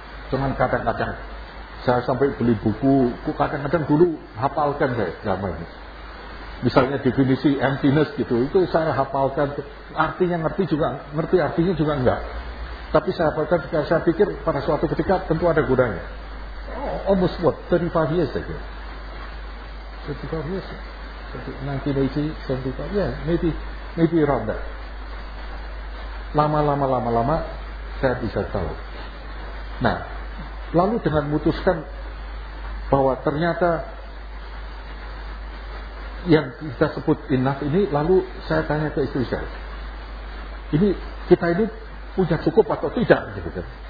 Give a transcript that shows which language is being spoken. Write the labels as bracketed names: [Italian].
[Indonesian] Cuman kadang-kadang saya sampai beli buku, kadang-kadang dulu hafalkan saya Dharma ini. misalnya definisi emptiness gitu, itu saya hafalkan artinya, ngerti juga, ngerti artinya juga enggak, tapi saya hafalkan ketika saya pikir pada suatu ketika tentu ada gunanya. [English] Almost what, 35 years ago, 35 years 1980, 75, yeah, maybe around that. [Indonesian] Lama-lama saya bisa tahu. Nah, lalu dengan memutuskan bahwa ternyata yang kita sebut enough ini, lalu saya tanya ke istri saya, ini kita ini punya cukup atau tidak? Gitu kan?